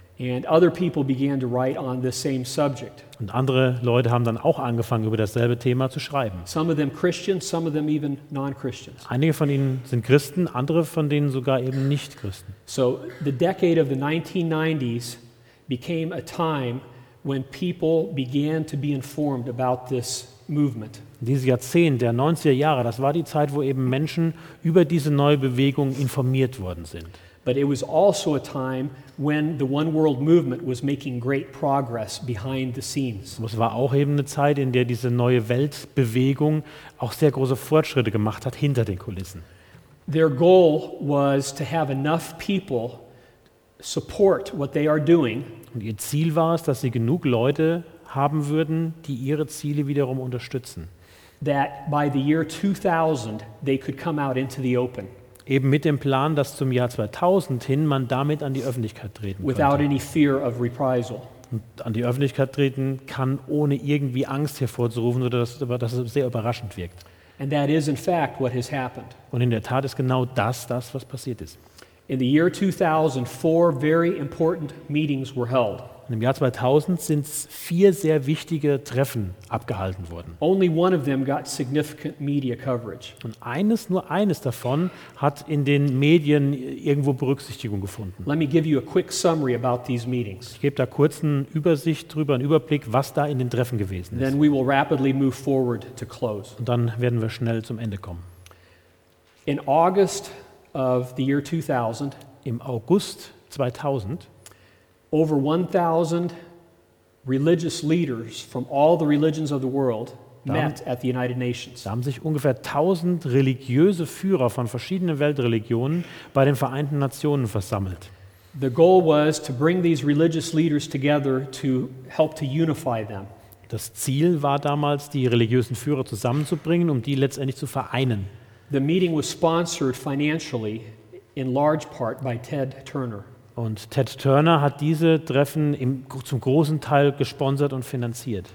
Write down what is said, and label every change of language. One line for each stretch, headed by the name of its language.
English: And other people began to write on the same subject.
German: Und andere Leute haben dann auch angefangen, über dasselbe Thema zu schreiben.
English: Some of them Christians, some of them even non-Christians.
German: Einige von ihnen sind Christen, andere von denen sogar eben nicht Christen.
English: So the decade of the 1990s became a time when people began to be informed about this movement.
German: Dieses Jahrzehnt der 90er Jahre, das war die Zeit, wo eben Menschen über diese neue Bewegung informiert worden sind.
English: But it was also a time when the One World Movement was making great progress behind the scenes.
German: Es war auch eben eine Zeit, in der diese neue Weltbewegung auch sehr große Fortschritte gemacht hat hinter den Kulissen.
English: Their goal was to have enough people support what they are doing.
German: Und ihr Ziel war es, dass sie genug Leute haben würden, die ihre Ziele wiederum unterstützen.
English: That by the year 2000 they could come out into the open.
German: Eben mit dem Plan, dass zum Jahr 2000 hin man damit an die Öffentlichkeit treten kann.
English: Without any fear of reprisal.
German: Und an die Öffentlichkeit treten kann, ohne irgendwie Angst hervorzurufen oder dass es sehr überraschend wirkt.
English: And that is in fact what has happened.
German: Und in der Tat ist genau das, was passiert ist.
English: In the year 2000, four very important meetings were held.
German: Und im Jahr 2000 sind vier sehr wichtige Treffen abgehalten worden.
English: Only one of them got significant media coverage.
German: Und eines, nur eines davon hat in den Medien irgendwo Berücksichtigung gefunden.
English: Let me give you a quick summary about these meetings.
German: Ich gebe da kurz eine Übersicht drüber, einen Überblick, was da in den Treffen gewesen ist.
English: Then we will rapidly move forward to close.
German: Und dann werden wir schnell zum Ende kommen.
English: In August of the year 2000,
German: im August 2000,
English: over 1000 religious leaders from all the religions of the world met at the United Nations.
German: Da haben sich ungefähr 1000 religiöse Führer von verschiedenen Weltreligionen bei den Vereinten Nationen versammelt.
English: The goal was to bring these religious leaders together to help to unify them.
German: Das Ziel war damals, die religiösen Führer zusammenzubringen, um die letztendlich zu vereinen.
English: The meeting was sponsored financially in large part by Ted Turner.
German: Und Ted Turner hat diese Treffen zum großen Teil gesponsert und finanziert.